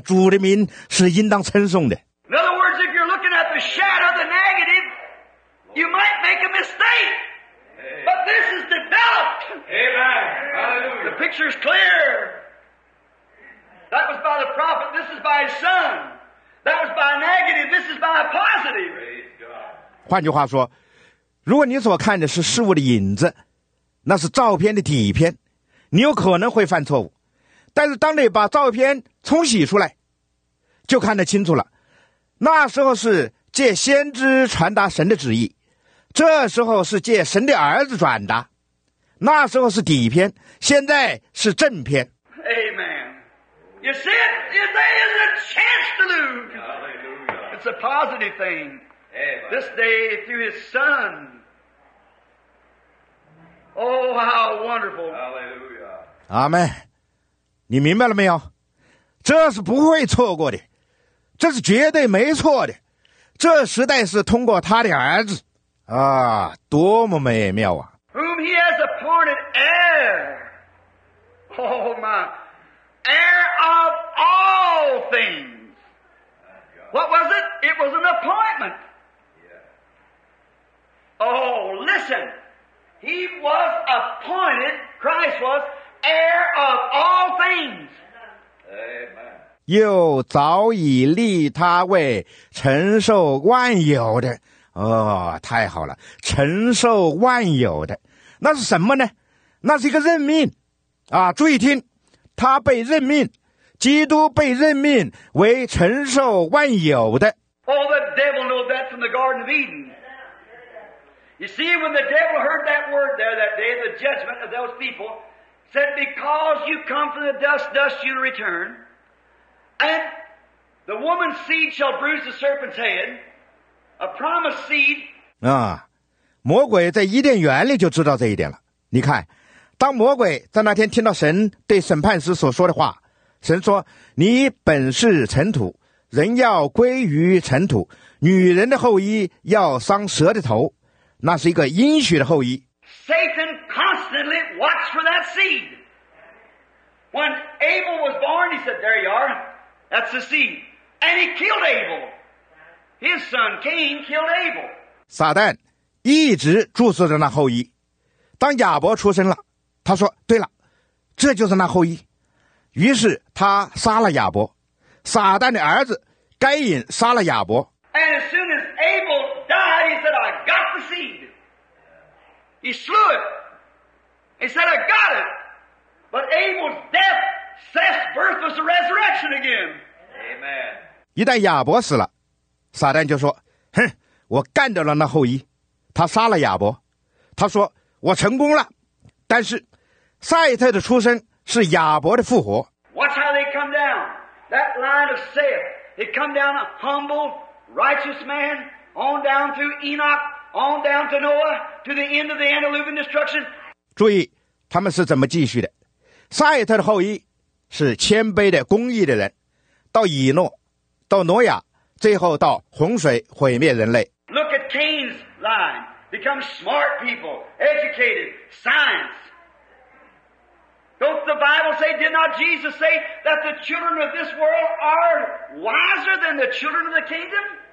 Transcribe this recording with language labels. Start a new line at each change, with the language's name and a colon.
Chinese: 主的名是应当称颂的。
English: In other words, if you're looking at the shadow, the negative, you might make a mistake. But this is developed. Amen. Hallelujah. The picture is clear. That was by the prophet. This is by his son. That was by negative. This is by positive. Praise God.
Chinese: 换句话说。如果你所看的是事物的影子，那是照片的底片，你有可能会犯错误。但是当你把照片冲洗出来，就看得清楚了。那时候是借先知传达神的旨意，这时候是借神的儿子转达。那时候是底片，现在是正片。
English: Amen. You see, there is a chance to lose. It's a positive thing. This day through his son. Oh, how wonderful. Hallelujah.
Chinese: Amen. 你明白了没有？这是不会错过的，这是绝对没错的。这时代是通过他的儿子。啊，多么美妙啊
English: ！Whom he has appointed heir, oh my, heir of all things. What was it? It was an appointment. Oh, listen. He was appointed. Christ was heir of all things. Amen.
Chinese: 又早已立他为承受万有的。哦，太好了，承受万有的，那是什么呢？那是一个任命啊！注意听，他被任命，基督被任命为承受万有的。
English: Oh, the devil knows that from the Garden of Eden. You see, when the devil heard that word there that day, the judgment of those people said, "Because you come from the dust, dust you return, and the woman's seed shall bruise the serpent's head." A promised seed.
Chinese: 啊，魔鬼在伊甸园里就知道这一点了。你看，当魔鬼在那天听到神对审判时所说的话，神说：“你本是尘土，人要归于尘土，女人的后裔要伤蛇的头。” 那是一个应许的后裔。
English: Satan constantly watched for that seed. When Abel was born, he said, "There you are. That's the seed." And he killed Abel. His son Cain killed Abel.
Chinese: 撒旦一直注视着那后裔。当亚伯出生了，他说：“对了，这就是那后裔。” 于是他杀了亚伯。撒旦的儿子该隐杀了亚伯。
English: And as soon as Abel died, he said, "I got the seed." He slew it. He said, "I got it." But Abel's death, Seth's birth was the resurrection again. Amen.
Chinese: 一旦亚伯死了。撒旦就说：“哼，我干掉了那后裔，他杀了亚伯。他说我成功了，但是赛特的出生是亚伯的复活。
English: Watch how they come down that line of Seth. They come down a humble, righteous man, on down to Enoch, on down to Noah, to the end of the antediluvian destruction.
Chinese: 注意他们是怎么继续的？赛特的后裔是谦卑的、公义的人，到以诺，到挪亚。” 最后到洪水毁灭人类。
English: Look at Cain's line, become smart people, educated, science. Don't the Bible say, did not Jesus say that the children of this world are wiser than the children of the kingdom?